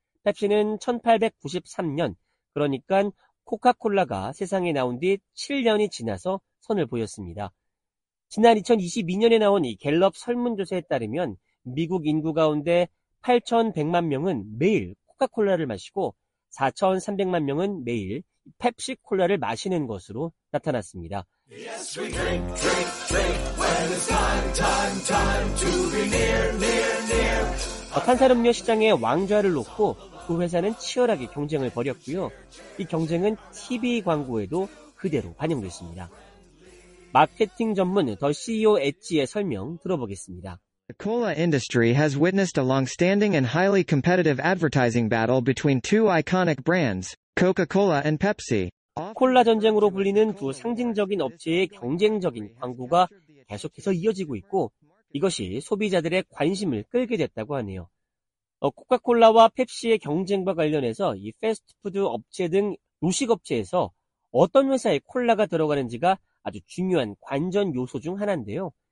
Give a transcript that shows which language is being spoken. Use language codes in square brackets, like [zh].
[ko] 펩시는 1893년, 그러니까 코카콜라가 세상에 나온 뒤 7년이 지나서 선을 보였습니다. 지난 2022년에 나온 이 갤럽 설문조사에 따르면 미국 인구 가운데 8,100만 명은 매일 코카콜라를 마시고 4,300만 명은 매일 펩시콜라를 마시는 것으로 나타났습니다. [en] Yes, we drink, drink, drink when it's time, time, time to be near, near, near. [ko] 탄산음료 시장에 왕좌를 놓고 두 회사는 치열하게 경쟁을 벌였고요. 이 경쟁은 TV 광고에도 그대로 반영됐습니다. 마케팅 전문 더 CEO 엣지의 설명 들어보겠습니다. [en] The cola industry has witnessed a long-standing and highly competitive advertising battle between two iconic brands, Coca-Cola and Pepsi. [ko] 콜라 전쟁으로 불리는 두 상징적인 업체의 경쟁적인 광고가 계속해서 이어지고 있고 이것이 소비자들의 관심을 끌게 됐다고 하네요. 코카콜라와 펩시의 경쟁과 관련해서 이 패스트푸드 업체 등 로식 업체에서 어떤 회사에 콜라가 들어가는지가 아주 중요한 관전 요소 중 하나인데요.